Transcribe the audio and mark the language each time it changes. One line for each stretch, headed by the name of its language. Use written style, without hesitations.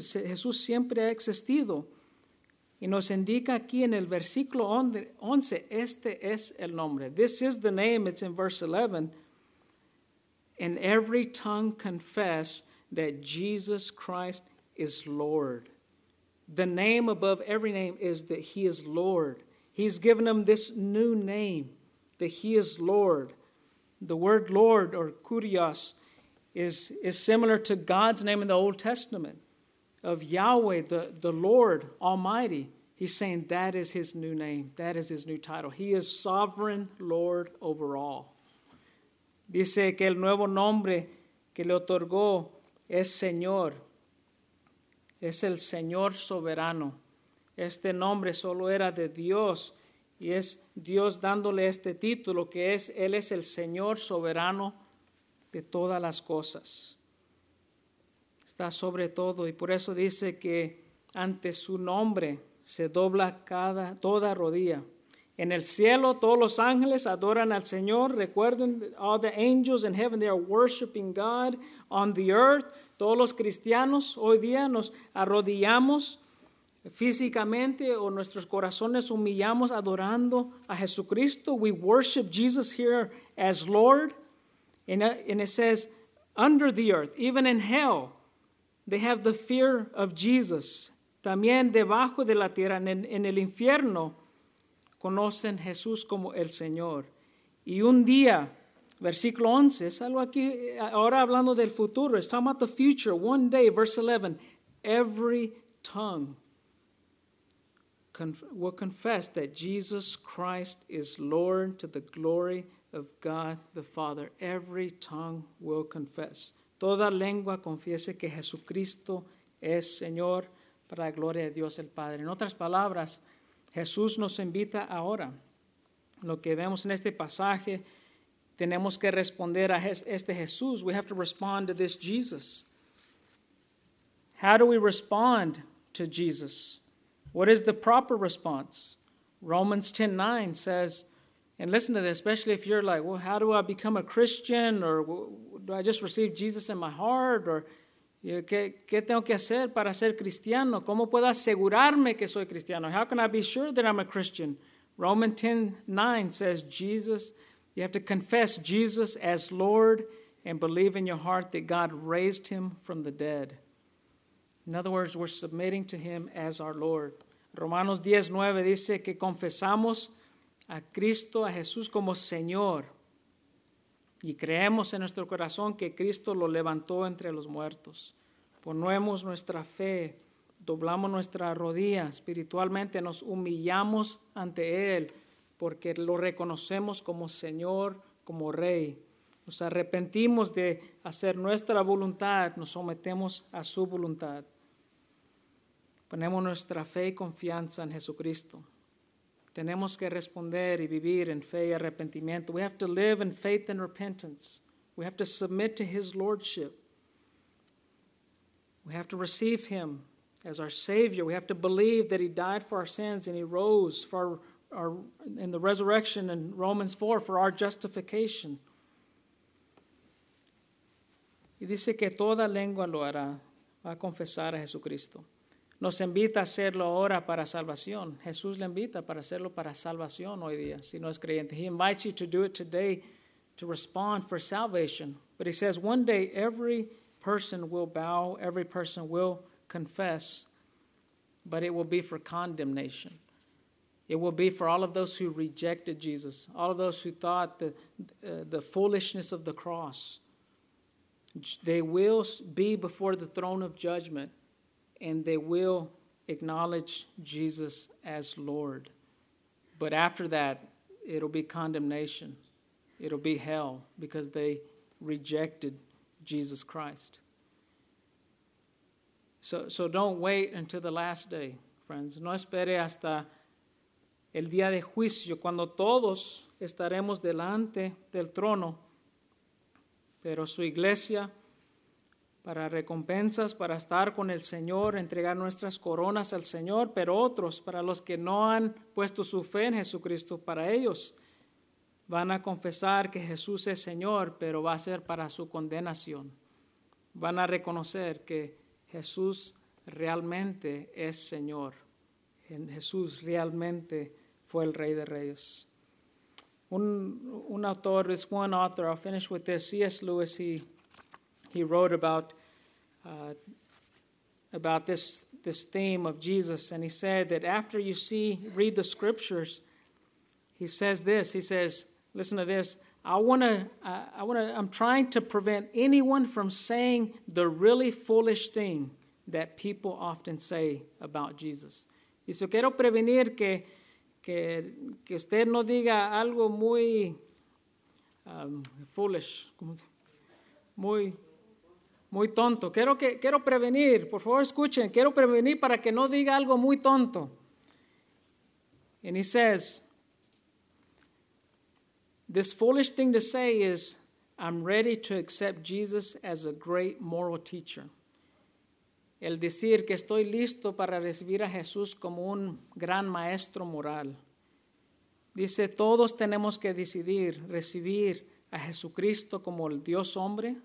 Spanish: Jesús siempre ha existido. Y nos indica aquí en el versículo 11, este es el nombre.
English: This is the name. It's in verse 11. And every tongue confess that Jesus Christ is Lord. The name above every name is that he is Lord. He's given him this new name, that he is Lord. The word Lord or Kurios is similar to God's name in the Old Testament. of Yahweh, the Lord Almighty. He's saying that is his new name. That is his new title. He is sovereign Lord over all.
Spanish: Dice que el nuevo nombre que le otorgó es Señor. Es el Señor soberano. Este nombre solo era de Dios. Y es Dios dándole este título que es, Él es el Señor soberano de todas las cosas. Está sobre todo. Y por eso dice que ante su nombre se dobla toda rodilla. En el cielo todos los ángeles adoran al Señor. Recuerden,
English: all the angels in heaven, they are worshiping God. On the earth,
Spanish: todos los cristianos hoy día nos arrodillamos físicamente o nuestros corazones humillamos adorando a Jesucristo.
English: We worship Jesus here as Lord. And it says, under the earth, even in hell, they have the fear of Jesus.
Spanish: También debajo de la tierra, en el infierno, conocen Jesús como el Señor. Y un día, versículo 11, es algo aquí, ahora hablando del futuro,
English: it's talking about the future, one day, verse 11, every tongue will confess that Jesus Christ is Lord to the glory of God the Father. Every tongue will confess.
Spanish: Toda lengua confiese que Jesucristo es Señor para la gloria de Dios el Padre. En otras palabras, Jesús nos invita ahora. Lo que vemos en este pasaje, tenemos que responder a este Jesús.
English: We have to respond to this Jesus. How do we respond to Jesus? What is the proper response? Romans 10:9 says, and listen to this, especially if you're like, well, how do I become a Christian? Or do I just receive Jesus in my heart?
Spanish: Or ¿qué tengo que hacer para ser cristiano? ¿Cómo puedo asegurarme que soy cristiano?
English: How can I be sure that I'm a Christian? Romans 10:9 says, Jesus, you have to confess Jesus as Lord and believe in your heart that God raised him from the dead. In other words, we're submitting to him as our Lord.
Spanish: Romanos 10:9 dice que confesamos a Cristo, a Jesús como Señor. Y creemos en nuestro corazón que Cristo lo levantó entre los muertos. Ponemos nuestra fe, doblamos nuestra rodilla espiritualmente, nos humillamos ante Él porque lo reconocemos como Señor, como Rey. Nos arrepentimos de hacer nuestra voluntad, nos sometemos a su voluntad. Ponemos nuestra fe y confianza en Jesucristo. Tenemos que responder y vivir en fe y arrepentimiento.
English: We have to live in faith and repentance. We have to submit to his lordship. We have to receive him as our Savior. We have to believe that he died for our sins and he rose for our in the resurrection in Romans 4 for our justification.
Spanish: Y dice que toda lengua lo hará, va a confesar a Jesucristo. Nos invita a hacerlo ahora para salvación. Jesús le invita para hacerlo para salvación hoy día, si no es creyente.
English: He invites you to do it today to respond for salvation. But he says one day every person will bow, every person will confess, but it will be for condemnation. It will be for all of those who rejected Jesus, all of those who thought the foolishness of the cross. They will be before the throne of judgment. And they will acknowledge Jesus as Lord. But after that, it'll be condemnation. It'll be hell because they rejected Jesus Christ. So don't wait until the last day, friends.
Spanish: No espere hasta el día de juicio, cuando todos estaremos delante del trono. Pero su iglesia, para recompensas, para estar con el Señor, entregar nuestras coronas al Señor, pero otros, para los que no han puesto su fe en Jesucristo, para ellos, van a confesar que Jesús es Señor, pero va a ser para su condenación. Van a reconocer que Jesús realmente es Señor. Jesús realmente fue el Rey de Reyes. Un autor,
English: this one author, I'll finish with this, C.S. Lewis, he wrote about this theme of Jesus, and he said that after you read the scriptures, he says this. He says, "Listen to this. I'm trying to prevent anyone from saying the really foolish thing that people often say about Jesus.
Spanish: Y si quiero prevenir que usted no diga algo muy foolish, muy tonto. Quiero prevenir, por favor escuchen, quiero prevenir para que no diga algo muy tonto.
English: And he says, this foolish thing to say is, I'm ready to accept Jesus as a great moral teacher.
Spanish: El decir que estoy listo para recibir a Jesús como un gran maestro moral. Dice, todos tenemos que decidir recibir a Jesucristo como el Dios hombre.